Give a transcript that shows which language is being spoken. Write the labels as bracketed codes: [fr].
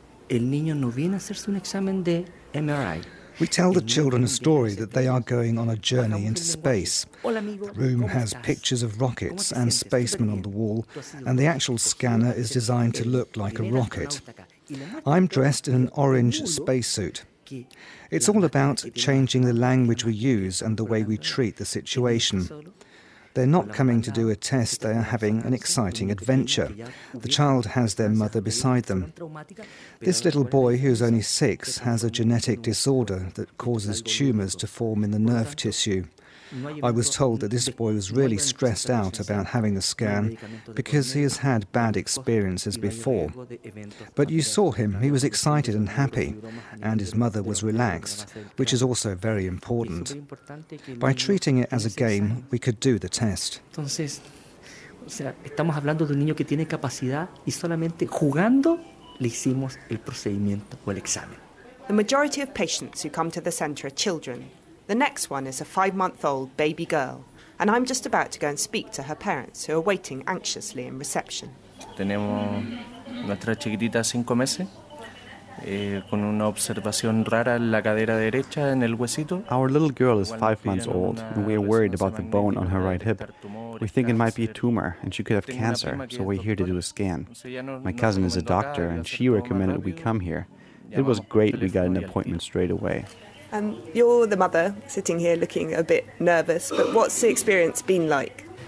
[es] El niño no viene a hacerse un examen de MRI. [en] We tell the children a story that they are going on a journey into space. The room has pictures of rockets and spacemen on the wall, and the actual scanner is designed to look like a rocket. I'm dressed in an orange spacesuit. It's all about changing the language we use and the way we treat the situation. They're not coming to do a test, they are having an exciting adventure. The child has their mother beside them. This little boy, who is only six, has a genetic disorder that causes tumors to form in the nerve tissue. I was told that this boy was really stressed out about having the scan because he has had bad experiences before. But you saw him, he was excited and happy, and his mother was relaxed, which is also very important. By treating it as a game, we could do the test. [es] Estamos hablando de un niño que tiene capacidad y solamente jugando le hicimos el procedimiento o el examen. [en] The majority of patients who come to the center are children. The next one is a five-month-old baby girl, and I'm just about to go and speak to her parents, who are waiting anxiously in reception. [es] Tenemos nuestra chiquitita cinco meses, con una observación rara en la cadera derecha en el huesito. [en] Our little girl is 5 months old, and we are worried about the bone on her right hip. We think it might be a tumor, and she could have cancer, so we're here to do a scan. My cousin is a doctor, and she recommended we come here. It was great we got an appointment straight away. You're the mother, sitting here looking a bit nervous, but what's the experience been like?